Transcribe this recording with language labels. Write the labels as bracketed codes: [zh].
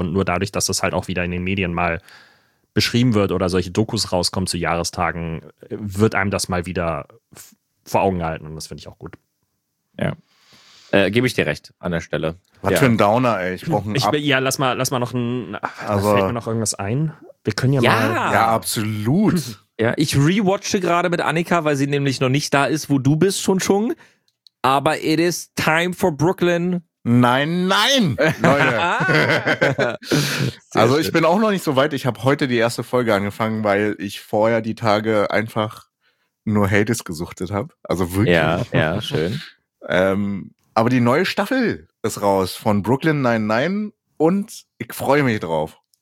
[de] Und nur dadurch, dass das halt auch wieder in den Medien mal beschrieben wird oder solche Dokus rauskommen zu Jahrestagen, wird einem das mal wieder vor Augen gehalten. Und das finde ich auch gut. Ja. Gebe ich dir recht an der Stelle. Was für ein Downer, ey. Ich brauche einen Ja, lass mal noch ein. Also, fällt mir noch irgendwas ein? Wir können ja mal. Ja, absolut. Ja, ich rewatche gerade mit Annika, weil sie nämlich noch nicht da ist, wo du bist, Chung. Aber [en] it is time for Brooklyn. [de] Nein, Leute. Also, ich bin auch noch nicht so weit. Ich habe heute die erste Folge angefangen, weil ich vorher die Tage einfach nur Hades gesuchtet habe. Also wirklich. Ja, schön. Aber die neue Staffel ist raus von Brooklyn Nine-Nine und ich freue mich drauf.